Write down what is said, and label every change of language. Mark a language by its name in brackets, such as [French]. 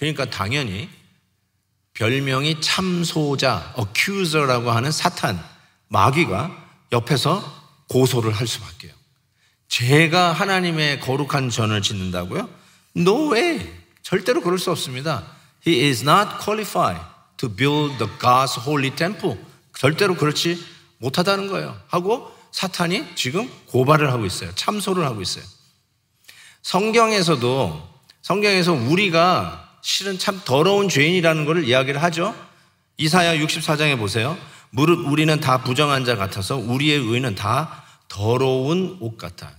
[Korean] 그러니까 당연히 별명이 참소자, accuser라고 하는 사탄, 마귀가 옆에서 고소를 할 수밖에요. 제가 하나님의 거룩한 전을 짓는다고요? [English] No way! [Korean] 절대로 그럴 수 없습니다. [English] He is not qualified to build the God's holy temple. [Korean] 절대로 그렇지 못하다는 거예요. 하고 사탄이 지금 고발을 하고 있어요. 참소를 하고 있어요. 성경에서 우리가 실은 참 더러운 죄인이라는 것을 이야기를 하죠. 이사야 64장에 보세요. 무릇 우리는 다 부정한 자 같아서 우리의 의는 다 더러운 옷 같아.